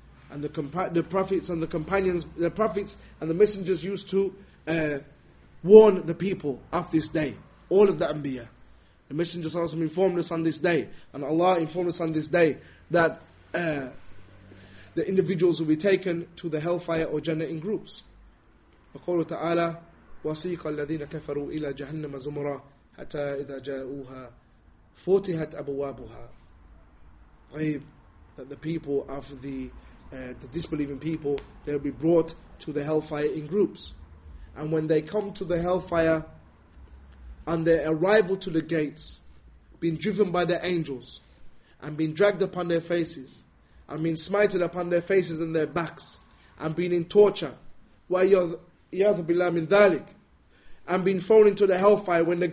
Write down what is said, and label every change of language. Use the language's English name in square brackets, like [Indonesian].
[English] And the prophets and the companions, the prophets and the messengers used to warn the people of this day. All of the anbiya. The Messenger of Allah informed us on this day. And Allah informed us on this day that the individuals will be taken to the hellfire or Jannah in groups. [Arabic] وقال تعالى وسيق الذين كفروا إلى جهنم زمرا حتى إذا جاءوها فتحت أبوابها. [English] Ghaib, that the people of the disbelieving people, they'll be brought to the hellfire in groups. And when they come to the hellfire, on their arrival to the gates, being driven by the angels, and being dragged upon their faces, and being smited upon their faces and their backs, and being in torture, [Arabic] وَيَذُ بِاللَّهِ مِنْ ذَلِكَ, [English] and being thrown into the hellfire.